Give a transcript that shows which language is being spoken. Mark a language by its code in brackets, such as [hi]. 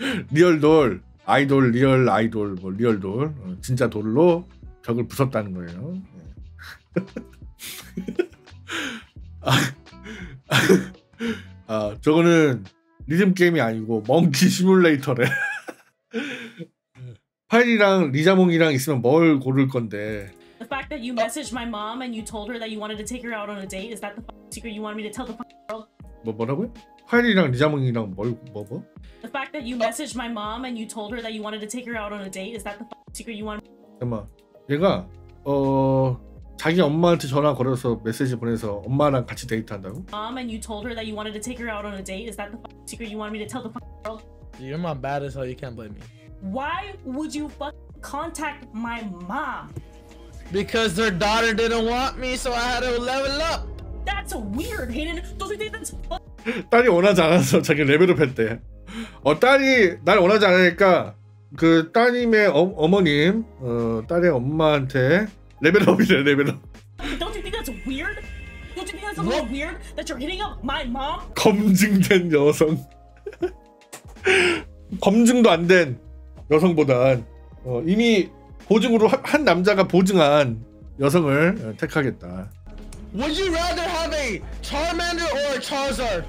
[ko] 리얼 돌 아이돌 리얼 아이돌 뭐 리얼 돌 진짜 돌로 벽을 부쉈다는 거예요. 아, 저거는 리듬 게임이 아니고 멍키 시뮬레이터래. 파일이랑 리자몽이랑 있으면 뭘 고를 건데. [en] The fact that you messaged my mom and you told her that you wanted to take her out on a date, is that the secret you want me to tell the world? [ko] 뭐라고요? 파일이랑 리자몽이랑 뭘 뭐? [en] The fact that you messaged my mom and you told her that you wanted to take her out on a date, is that the secret you want? [ko] 잠깐만. 얘가 자기 엄마한테 전화 걸어서 메시지 보내서 엄마랑 같이 데이트 한다고? [en] Mom and you told her that you wanted to take her out on a date, is that the secret you want me to tell the world? Your mom bad as hell, you can't blame me. Why would you contact my mom? Because their daughter didn't want me, so I had to level up. That's weird, Hayden. Don't you think that's fun? [ko] 딸이 원하지 않아서 자기 레벨업 했대. 딸이 날 원하지 않으니까 그 따님의 어머님, 딸의 엄마한테 레벨업이래, 레벨업. [en] Don't you think that's weird? Don't you think that's a little weird that you're hitting up my mom? [ko] 검증된 여성. 검증도 안 된. 여성보단 이미 보증으로 한 남자가 보증한 여성을 택하겠다. [en] Would you rather have a Charmander or a Charizard?